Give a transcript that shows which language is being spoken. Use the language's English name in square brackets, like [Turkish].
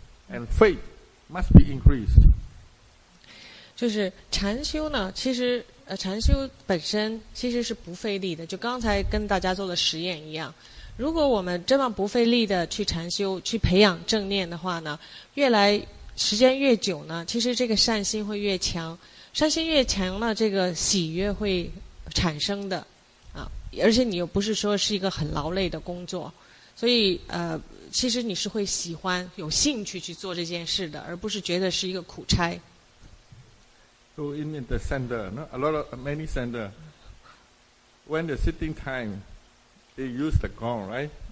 [English] And faith must be increased. [Chinese] 就是禅修呢，其实禅修本身其实是不费力的。就刚才跟大家做了实验一样，如果我们这么不费力的去禅修，去培养正念的话呢，越来时间越久呢，其实这个善心会越强，善心越强呢，这个喜悦会产生的。而且你又不是说是一个很劳累的工作，所以其实你是会喜欢、有兴趣去做这件事的，而不是觉得是一个苦差。 [English] So in the center, a lot of many center, when the sitting time, they use the gong, right?